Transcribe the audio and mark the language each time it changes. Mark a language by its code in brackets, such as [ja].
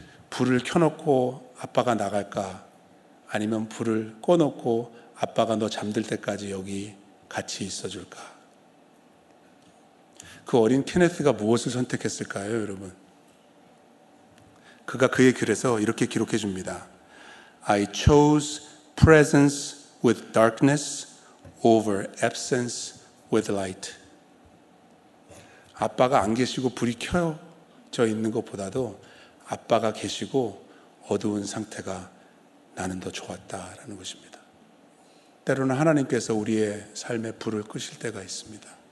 [ko] 불을 켜놓고 아빠가 나갈까? 아니면 불을 꺼놓고 아빠가 너 잠들 때까지 여기 같이 있어줄까? 그 어린 케네스가 무엇을 선택했을까요, 여러분? 그가 그의 글에서 이렇게 기록해 줍니다. [en] I chose presence with darkness over absence with light. [ko] 아빠가 안 계시고 불이 켜져 있는 것보다도 아빠가 계시고 어두운 상태가 나는 더 좋았다라는 것입니다. 때로는 하나님께서 우리의 삶의 불을 끄실 때가 있습니다.